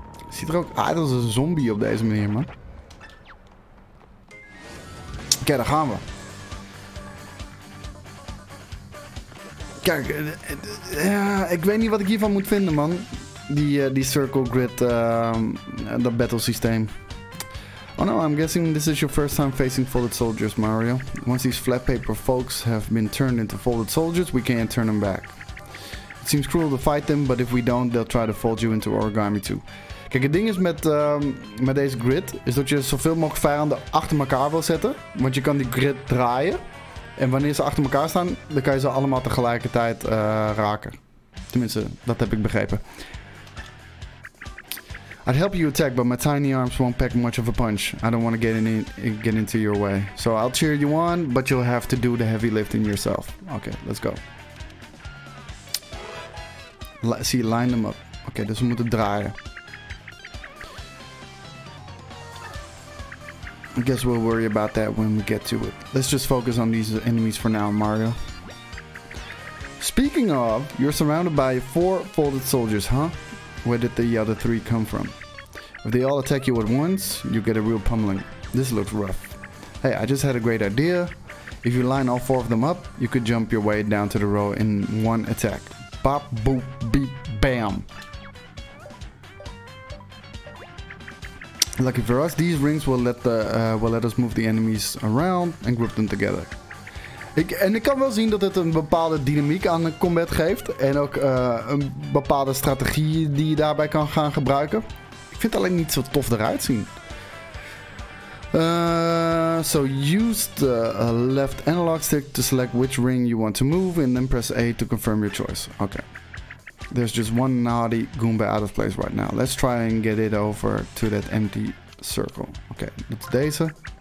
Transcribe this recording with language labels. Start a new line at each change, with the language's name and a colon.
Dutch: Ziet er ook uit als een zombie op deze manier, man. Oké, daar gaan we. Kijk, ik weet niet wat ik hiervan moet vinden, man. Die circle grid, dat battle systeem.
English: Oh no, I'm guessing this is your first time facing folded soldiers, Mario. Once these flat paper folks have been turned into folded soldiers, we can't turn them back. It seems cruel to fight them, but if we don't, they'll try to fold you into origami too.
Dutch: Kijk, het ding is met deze grid, is dat je zoveel mogelijk vijanden achter elkaar wil zetten. Want je kan die grid draaien. En wanneer ze achter elkaar staan, dan kan je ze allemaal tegelijkertijd raken. Tenminste, dat heb ik begrepen.
English: I'd help you attack, but my tiny arms won't pack much of a punch. I don't want to get into your way. So I'll cheer you on, but you'll have to do the heavy lifting yourself. Okay, let's go. See, line them up.
Dutch: Okay, dus we moeten draaien.
English: I guess we'll worry about that when we get to it. Let's just focus on these enemies for now, Mario. Speaking of, you're surrounded by four folded soldiers, huh? Where did the other three come from? If they all attack you at once, you get a real pummeling. This looks rough. Hey, I just had a great idea. If you line all four of them up, you could jump your way down to the row in one attack. Bop, boop, beep, bam. Lucky for us, these rings will let us move the enemies around and group them together.
Dutch: Ik kan wel zien dat het een bepaalde dynamiek aan de combat geeft. En ook een bepaalde strategie die je daarbij kan gaan gebruiken. Ik vind het alleen niet zo tof eruit zien.
English: So use the left analog stick to select which ring you want to move. And then press A to confirm your choice. Okay. There's just one naughty Goomba out of place right now. Let's try and get it over to that empty circle.
Dutch: Okay, dat is deze.